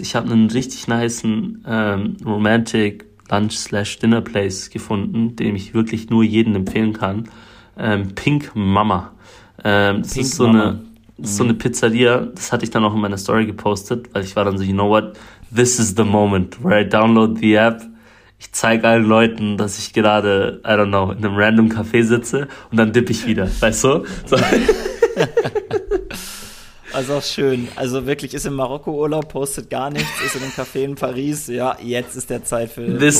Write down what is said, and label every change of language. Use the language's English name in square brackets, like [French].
[German] Ich habe einen richtig nicen Romantic Lunch/Dinner-Place gefunden, den ich wirklich nur jedem empfehlen kann. Pink Mama. Das ist Pink Mama. so eine Pizzeria. Das hatte ich dann auch in meiner Story gepostet, weil ich war dann so, [English] you know what? This is the moment where I download the app. [German] Ich zeige allen Leuten, dass ich gerade, [English] I don't know, [German] in einem random Café sitze und dann dippe ich wieder. Weißt du? Also auch schön. Also wirklich, ist im Marokko Urlaub, postet gar nichts, ist in einem Café in Paris. Ja, jetzt ist der [English] This [German] Zeitpunkt [English] is